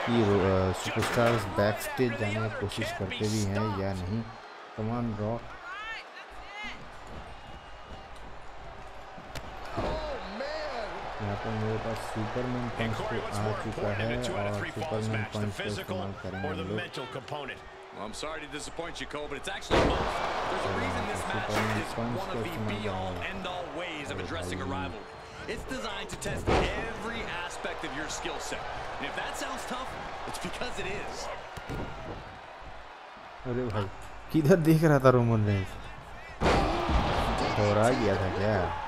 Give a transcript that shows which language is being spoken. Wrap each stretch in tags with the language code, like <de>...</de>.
<hi>कि superstars backstage जाने की कोशिश करते भी हैं या नहीं। कमान रॉक यहाँ पर मेरे पास सुपरमैन पंच को आ चुका है और सुपरमैन पंच को इस्तेमाल करेंगे लोग।</hi> <en>I'm sorry to disappoint you, Cole, but it's actually both. There's a reason this match is one of the be-all, end-all ways of addressing a rival. It's designed to test every aspect of your skill set. And if that sounds tough, it's because it is.</en> <hi>अरे भाई, किधर देख रहा था Roman Reigns? और आ गया था क्या?</hi>